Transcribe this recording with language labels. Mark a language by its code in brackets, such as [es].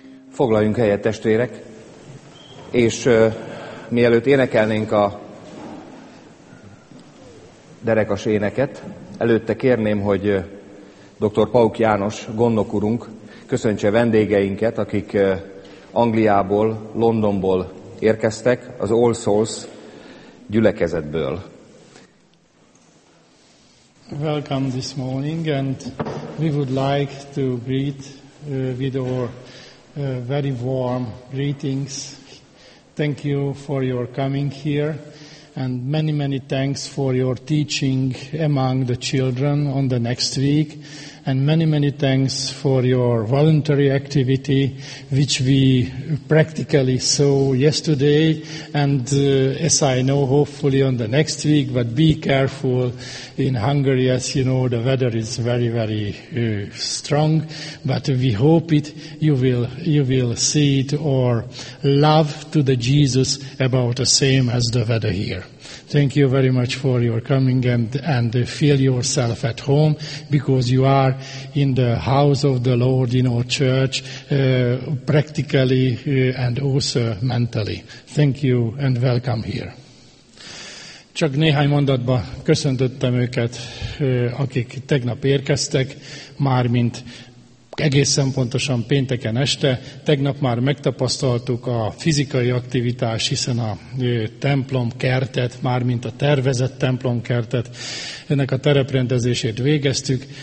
[hu] Foglaljunk helyet, testvérek, és mielőtt énekelnénk a derekas éneket, előtte kérném, hogy dr. Pauk János gondnok urunk köszöntse vendégeinket, akik Angliából, Londonból érkeztek, az All Souls gyülekezetből. [en] Welcome this morning, and we would like to greet with our very warm greetings. Thank you for your coming here, and many, many thanks for your teaching among the children on the next week, and many, many thanks for your voluntary activity, which we practically saw yesterday, and as I know, hopefully on the next week, but be careful in Hungary. As you know, the weather is very, very strong, but we hope it. You will see it, or love to the Jesus about the same as the weather here. Thank you very much for your coming, and feel yourself at home, because you are in the house of the Lord, in our church, practically and also mentally. Thank you and welcome here. [hu] Csak néhány mondatban köszöntöttem őket, akik tegnap érkeztek, mármint egészen pontosan pénteken este. Tegnap már megtapasztaltuk a fizikai aktivitást, hiszen a templom kertet, mármint a tervezett templom kertet, ennek a tereprendezését végeztük.